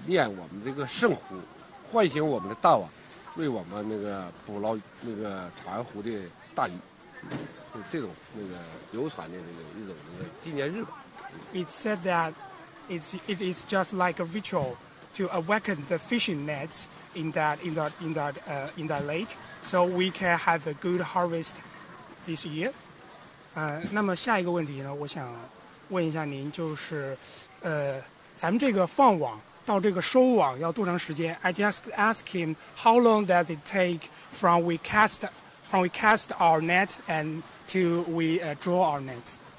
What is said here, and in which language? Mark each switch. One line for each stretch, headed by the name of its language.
Chinese: 那么第三个问题呢，我想问您，就是我们此次的那个冬捕节能捕获这个多少这个鱼？我们冬捕节是一个传统的一个节日，这个节日是指的是啥呢？是指的是这个祭湖兴网，纪念我们这个圣湖，唤醒我们的大网。为我们那个捕捞那个传湖的大鱼，这种那个游船的这个一种那个纪念日吧。
English: It said that it is just like a ritual to awaken the fishing nets in that lake, so we can have a good harvest this year.
Chinese: 那么下一个问题呢，我想问一下您，就是咱们这个放网。到这个收网要多长时间?
English: I just asked him how long does it take from we cast our net and to we draw our net.